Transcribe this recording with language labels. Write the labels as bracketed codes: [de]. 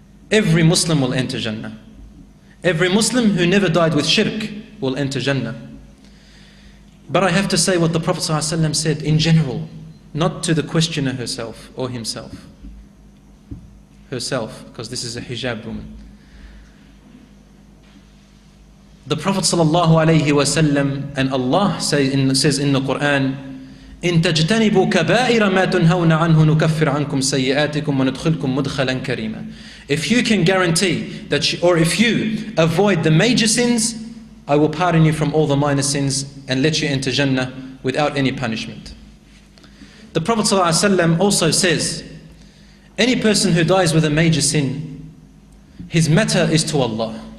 [en] Every Muslim will enter Jannah. Every Muslim who never died with shirk will enter Jannah. But I have to say what the Prophet ﷺ said in general, not to the questioner herself or himself. Herself, because this is a hijab woman. The Prophet ﷺ and Allah says in the Quran, [ar] إِن تَجْتَنِبُوا كَبَائِرَ مَا تُنْهَوْنَ عَنْهُ نُكَفِّرْ عَنْكُمْ سَيِّئَاتِكُمْ وَنُدْخِلْكُمْ مُدْخَلًا كَرِيمًا. [en] If you can guarantee that, or if you avoid the major sins, I will pardon you from all the minor sins and let you enter Jannah without any punishment. The Prophet ﷺ also says, any person who dies with a major sin, his matter is to Allah.